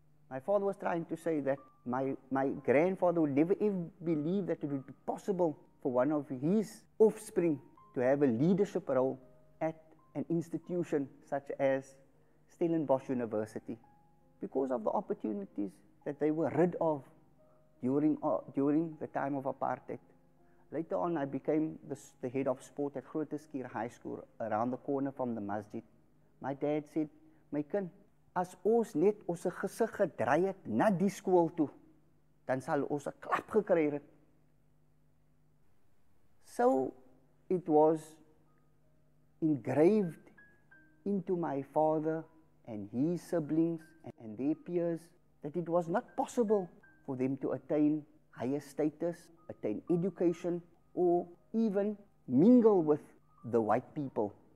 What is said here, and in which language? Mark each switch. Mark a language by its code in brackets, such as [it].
[en] My father was trying to say that my grandfather would never even believe that it would be possible for one of his offspring to have a leadership role at an institution such as Stellenbosch University, because of the opportunities that they were rid of during the time of apartheid. Later on, I became the head of sport at Groote High School, around the corner from the masjid. My dad said, [af] "My kind, as ons net ons gesig gedraai het na die skool toe, dan sal ons 'n klap gekry het." [en] So it was engraved into my father and his siblings and their peers that it was not possible for them to attain higher status, attain education, or even mingle with the white people.